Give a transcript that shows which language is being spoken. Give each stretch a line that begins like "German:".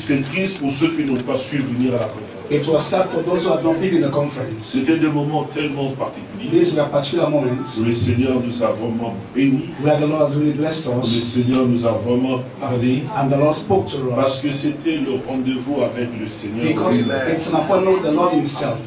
French: C'est triste pour ceux qui n'ont pas su venir à la conférence.
English: It was sad for those who had not been in the conference.
French: C'était des moments tellement particuliers.
English: These were particular moments.
French: Où le Seigneur nous a vraiment bénis.
English: Where the Lord has really blessed us.
French: Où le Seigneur nous a vraiment parlé.
English: And the Lord spoke to us.
French: Parce que c'était le rendez-vous avec le Seigneur.
English: Because it's an appointment with the Lord Himself.